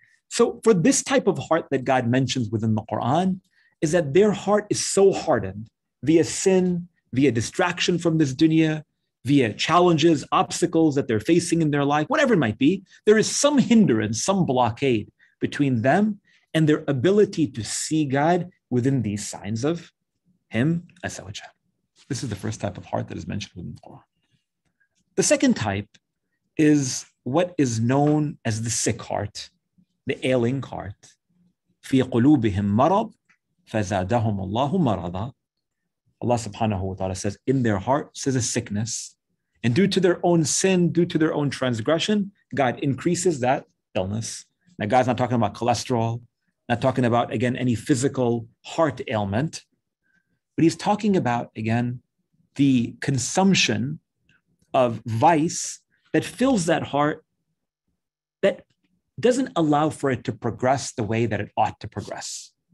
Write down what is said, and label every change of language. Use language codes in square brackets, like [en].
[en] So for this type of heart that God mentions within the Quran, is that their heart is so hardened via sin, via distraction from this dunya, via challenges, obstacles that they're facing in their life, whatever it might be, there is some hindrance, some blockade between them and their ability to see God within these signs of him, Azza wa Jalla. This is the first type of heart that is mentioned within the Quran. The second type is what is known as the sick heart, the ailing heart. [ar] في قلوبهم مرض فزادهم الله مرضا. [en] Allah subhanahu wa ta'ala says, in their heart says a sickness. And due to their own sin, due to their own transgression, God increases that illness. Now God's not talking about cholesterol, not talking about, again, any physical heart ailment. But he's talking about, again, the consumption of vice that fills that heart that doesn't allow for it to progress the way that it ought to progress.